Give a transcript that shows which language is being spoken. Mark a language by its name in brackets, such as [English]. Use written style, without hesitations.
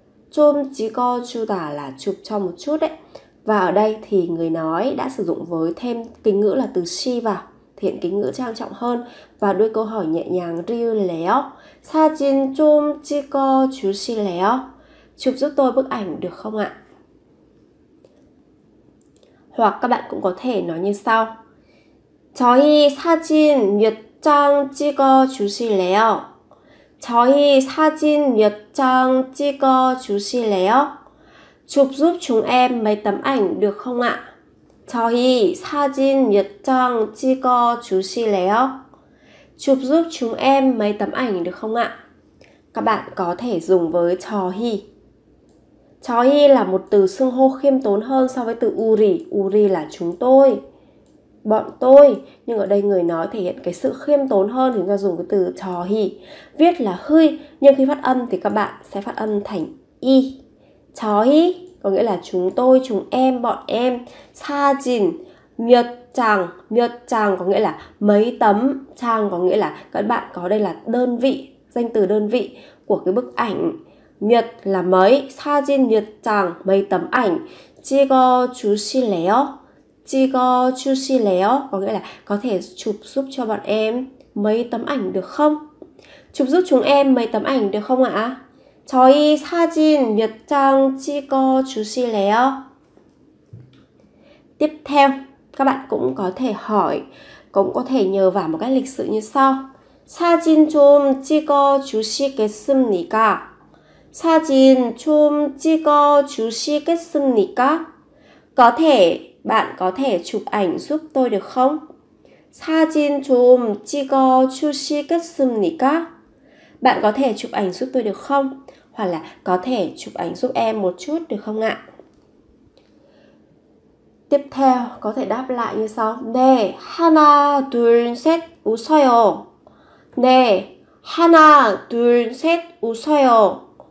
[Korean] 좀 찍어 주다 [Vietnamese] là chụp cho một chút đấy. Và ở đây thì người nói đã sử dụng với thêm kính ngữ là từ 시 vào, thiện kính ngữ trang trọng hơn và đuôi câu hỏi nhẹ nhàng 주실래요? [Korean] 사진 좀 찍어 주실래요? [Vietnamese] Chụp giúp tôi bức ảnh được không ạ? Hoặc các bạn cũng có thể nói như sau. [Korean] 저희 사진 몇 장 찍어 주실래요? 저희 사진 몇 장 찍어 주실래요? [Vietnamese] Chụp giúp chúng em mấy tấm ảnh được không ạ? [Korean] 저희 사진 몇 장 찍어 주실래요? [Vietnamese] Chụp giúp chúng em mấy tấm ảnh được không ạ? Các bạn có thể dùng với 저희. 저희 là một từ xưng hô khiêm tốn hơn so với từ 우리. 우리 là chúng tôi, bọn tôi. Nhưng ở đây người nói thể hiện cái sự khiêm tốn hơn thì chúng ta dùng cái từ 저희. Viết là 흐이 nhưng khi phát âm thì các bạn sẽ phát âm thành y. 저희 có nghĩa là chúng tôi, chúng em, bọn em. [Korean] 사진 몇 장, 몇 장 [Vietnamese] có nghĩa là mấy tấm. 장 có nghĩa là các bạn có, đây là đơn vị, danh từ đơn vị của cái bức ảnh. 몇 là mấy, [Korean] 사진 몇 장, [Vietnamese] mấy tấm ảnh. [Korean] 찍어 주실래요? 찍어 주실래요? [Vietnamese] Có nghĩa là có thể chụp giúp cho bọn em mấy tấm ảnh được không? Chụp giúp chúng em mấy tấm ảnh được không ạ? [Korean] 저희 사진 몇 장 찍어 주실래요? [Vietnamese] Tiếp theo, các bạn cũng có thể hỏi, cũng có thể nhờ vả một cách lịch sự như sau. [Korean] 사진 좀 찍어 주시겠습니까? 사진 좀 찍어 주시겠습니까? [Vietnamese] Có thể, bạn có thể chụp ảnh giúp tôi được không? [Korean] 사진 좀 찍어 주시겠습니까? [Vietnamese] Bạn có thể chụp ảnh giúp tôi được không? Hoặc là có thể chụp ảnh giúp em một chút được không ạ? Tiếp theo, có thể đáp lại như sau. [Korean] 네, 하나, 둘, 셋, 웃어요. 네, 하나, 둘, 셋, 웃어요.